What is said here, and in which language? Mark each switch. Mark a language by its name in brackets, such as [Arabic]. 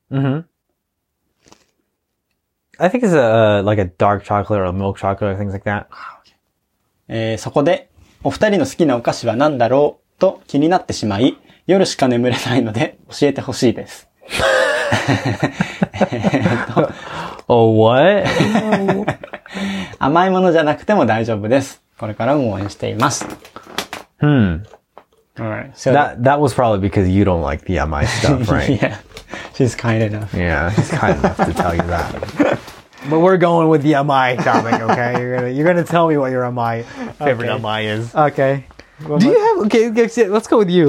[English] Mm-hmm. I think it's a, like a dark chocolate or a milk chocolate or things like that. [Japanese] そこで、お二人の好きなお菓子は何だろうと気になってしまい、夜しか眠れないので教えてほしいです。 [English] Oh, what? [Japanese] 甘いものじゃなくても大丈夫です。これからも応援しています。 Hmm. [English] Alright. So that was probably because you don't like the MI stuff, right? Yeah. She's kind enough. Yeah. She's kind enough to tell you that. But we're going with the MI topic, okay? You're gonna tell me what your MI favorite MI is. Okay. Do you have, okay, let's go with you.